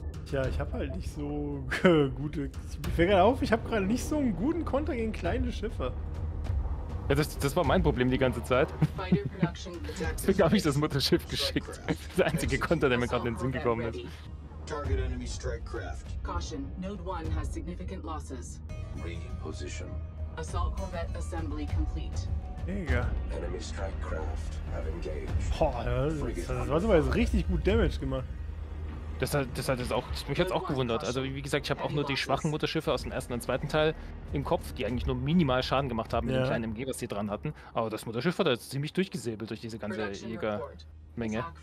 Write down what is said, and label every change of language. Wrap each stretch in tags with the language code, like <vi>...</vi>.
<de>Ja, ich habe halt nicht so gute... Mir fällt gerade auf, ich habe gerade nicht so einen guten Konter gegen kleine Schiffe. Ja, das war mein Problem die ganze Zeit. Deswegen habe ich das Mutterschiff geschickt. Das einzige Konter, der mir gerade in den Sinn gekommen ist.</de> <en>Target enemy strike craft. Caution, Node 1 has significant losses. Reposition. Assault Corvette assembly complete.</en> <de>Digga.</de> <en>Enemy strike craft have engaged.</en> <de>Boah, das war jetzt richtig gut Damage gemacht. Mich hat es auch gewundert. Also wie gesagt, ich habe auch nur die schwachen Mutterschiffe aus dem ersten und zweiten Teil im Kopf, die eigentlich nur minimal Schaden gemacht haben mit dem kleinen MG, was sie dran hatten. Aber das Mutterschiff war da jetzt ziemlich durchgesäbelt durch diese ganze Jägermenge.</de>